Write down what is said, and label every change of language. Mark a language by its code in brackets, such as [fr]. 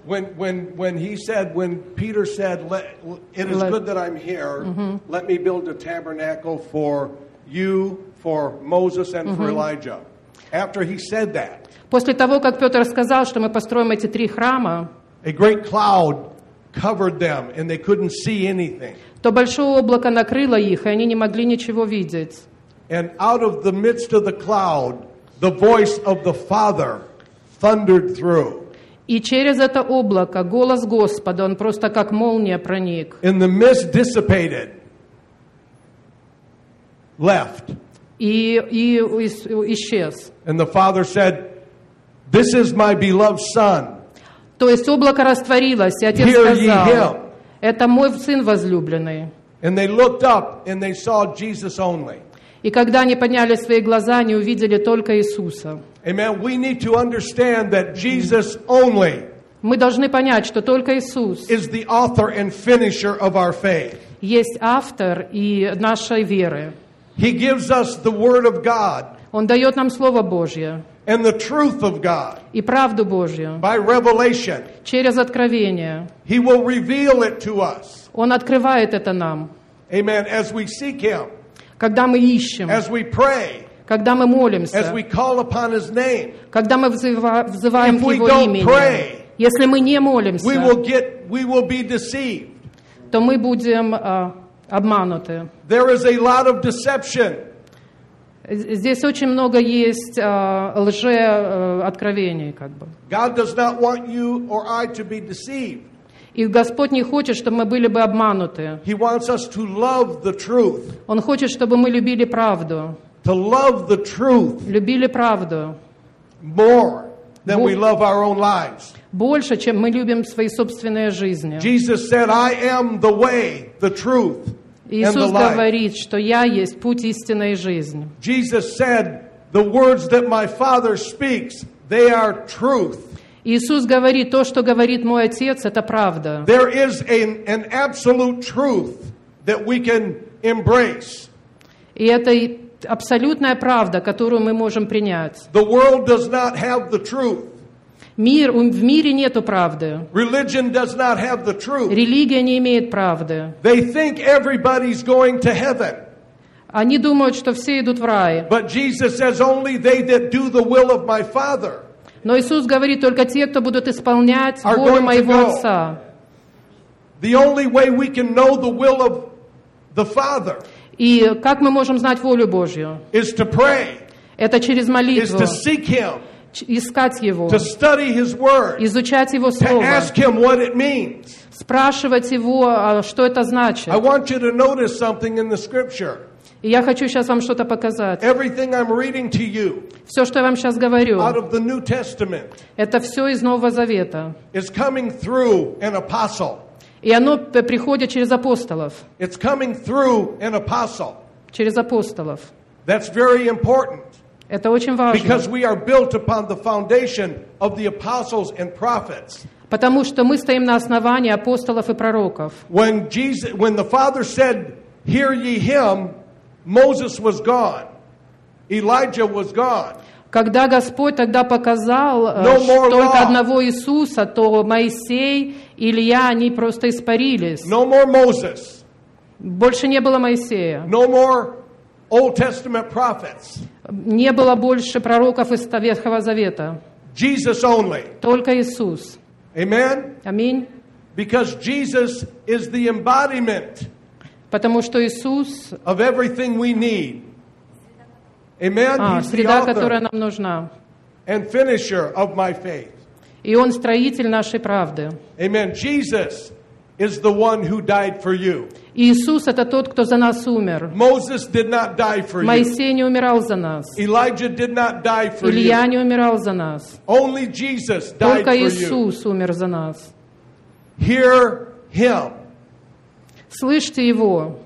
[en] When Peter said, "It is good that I'm here. Mm-hmm. Let me build a tabernacle for you, for Moses, and mm-hmm. for Elijah." After he said that, [ru] после того как Петр сказал, что мы построим эти три храма, [en] a great cloud covered them, and they couldn't see anything. [ru] То большое облако накрыло их, и они не могли ничего видеть. [en] And out of the midst of the cloud, the voice of the Father thundered through. [ru] И через это облако голос Господа, он просто как молния проник. [en] And the mist dissipated, left. [ru] И исчез. [en] And the Father said, "This is my beloved Son." [ru] То есть облако растворилось, и Отец сказал, это мой сын возлюбленный. [en] And they looked up and they saw Jesus only. [ru] И когда они подняли свои глаза, они увидели только Иисуса. [en] Amen. We need to understand that Jesus only. [ru] Мы должны понять, что только Иисус. [en] Is the author and finisher of our faith. [ru] Есть автор и нашей веры. [en] He gives us the word of God. [ru] Он дает нам слово Божье. [en] And the truth of God. [ru] И правду Божью. [en] By revelation. [ru] Через откровение. [en] He will reveal it to us. [ru] Он открывает это нам. [en] Amen. As we seek him. [ru] Когда мы ищем. [en] As we pray. [ru] Когда мы молимся. [en] As we call upon his name. [ru] Когда мы взываем [en] if [ru] его имя. [en] Pray, [ru] если мы не молимся. [en] We will be deceived. [ru] То мы будем обмануты. [en] There is a lot of deception. [ru] Здесь очень много есть лжеоткровений, как бы. [en] God does not want you or I to be deceived. [ru] И Господь не хочет, чтобы мы были бы обмануты. [en] He wants us to love the truth. [ru] Он хочет, чтобы мы любили правду. [en] To love the truth. [ru] Любили правду. [en] More than we love our own lives. [ru] Больше, чем мы любим свои собственные жизни. [en] Jesus said, "I am the way, the truth." [ru] Иисус говорит, что я есть путь истинной жизни. [en] Jesus said, "The words that my Father speaks, they are truth." [ru] Иисус говорит, то, что говорит мой Отец, это правда. [en] There is an absolute truth that we can embrace. [ru] И это абсолютная правда, которую мы можем принять. [en] The world does not have the truth. [ru] Мир, в мире нету правды. [en] Religion does not have the truth. [ru] Религия не имеет правды. [en] They think everybody's going to heaven. [ru] Они думают, что все идут в рай. [en] But Jesus says only they that do the will of my Father. [ru] Но Иисус говорит, только те, кто будут исполнять волю моего Отца. [en] The only way we can know the will of the Father. [ru] И как мы можем знать волю Божью? [en] Is to pray. [ru] Это через молитву. [en] Is to seek him. [ru] Искать его, [en] to study his word, [ru] изучать его слово, [en] to ask him what it means. [ru] Спрашивать его, что это значит. [en] I want you to notice something in the scripture. [ru] И я хочу сейчас вам что-то показать. [en] Everything I'm reading to you, [ru] все, что я вам сейчас говорю, [en] out of the New Testament, [ru] это все из Нового Завета. [en] Is coming through an apostle. [ru] И оно приходит через апостолов. [en] It's coming through an apostle. [ru] Через апостолов. [en] That's very important. [ru] Это очень важно. [en] Because we are built upon the foundation of the apostles and prophets. [ru] Потому что мы стоим на основании апостолов и пророков. [en] When the Father said, "Hear ye him," Moses was gone. Elijah was gone. [ru] Когда Господь тогда показал только одного Иисуса, то Моисей, Илия, они просто испарились. [en] No more Moses. [ru] Больше не было Моисея. [en] No more Old Testament prophets. [ru] Не было больше пророков из Ветхого Завета. [en] Jesus only. [ru] Только Иисус. [en] Amen. [ru] Аминь. [en] Because Jesus is the embodiment. [ru] Потому что Иисус. [en] Of everything we need. Amen. He's the author, [ru] которая нам нужна. [en] And finisher of my faith. [ru] И он строитель нашей правды. [en] Amen. Jesus is the one who died for you. [ru] Иисус это тот, кто за нас умер. [en] Moses did not die for you. [ru] Моисей не умирал за нас. [en] Elijah did not die for you. [ru] Илия не умирал за нас. [en] Only Jesus died for you. [ru] Только Иисус умер за нас. [en] Hear him. [ru] Слышьте его.